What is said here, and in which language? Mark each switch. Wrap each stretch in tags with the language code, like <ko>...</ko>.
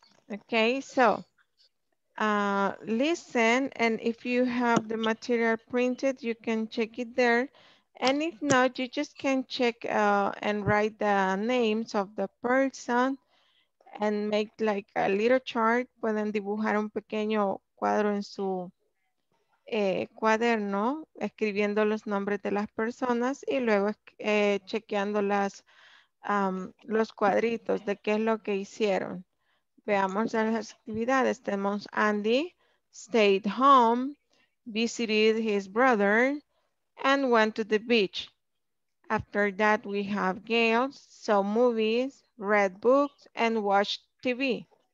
<en>Okay, so listen, and if you have the material printed, you can check it there. And if not, you just can check and write the names of the person and make like a little chart.</en> <es>Pueden dibujar un pequeño cuadro en su cuaderno, escribiendo los nombres de las personas y luego chequeando las los cuadritos de qué es lo que hicieron. Veamos las actividades. Tenemos</es> <en>Andy stayed home, visited his brother, and went to the beach. After that, we have Gail, saw movies, read books, and watched TV.</en>